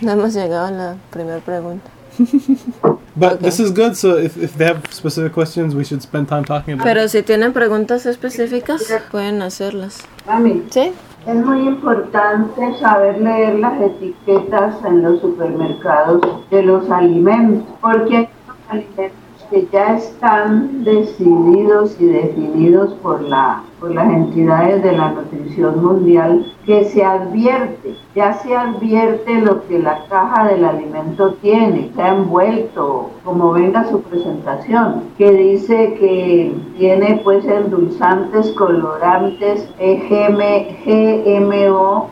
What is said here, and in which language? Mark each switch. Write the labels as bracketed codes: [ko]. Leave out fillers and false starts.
[es] No hemos llegado a la primera pregunta. [en] But okay. This is good, so if they have specific questions, we should spend time talking about [es] Pero si tienen preguntas específicas, pueden hacerlas. Mami, ¿sí? Es muy importante saber leer las etiquetas en los supermercados de los alimentos, porque hay unos alimentos que ya están decididos y definidos por las entidades de la nutrición mundial, que se advierte, ya se advierte lo que la caja del alimento tiene, está envuelto, como venga su presentación, que dice que tiene pues endulzantes, colorantes, GMO,